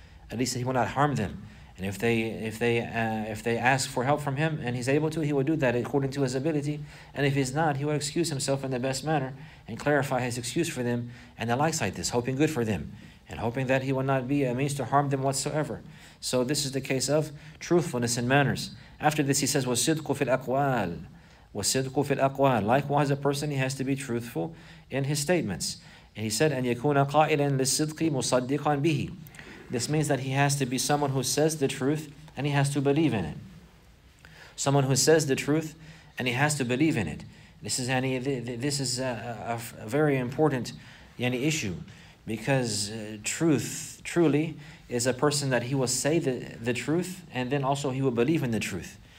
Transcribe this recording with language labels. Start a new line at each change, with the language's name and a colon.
English: At least he will not harm them. And if they ask for help from him and he's able to, he will do that according to his ability. And if he's not, he will excuse himself in the best manner and clarify his excuse for them and the likes like this, hoping good for them and hoping that he will not be a means to harm them whatsoever. So this is the case of truthfulness in manners. After this, he says,
Arabic: وَصِدْقُ فِي الْأَقْوَالِ وَصِدْقُ فِي الْأَقْوَالِ.
English: Likewise, a person, he has to be truthful in his statements. And he said,
Arabic: أَنْ يَكُونَ قَائِلًا لِلصِّدْقِ مُصَدِّقًا بِهِ.
English: This means that he has to be someone who says the truth and he has to believe in it. Someone who says the truth and he has to believe in it. This is a very important issue, because truth truly is a person that he will say the truth and then also he will believe in the truth.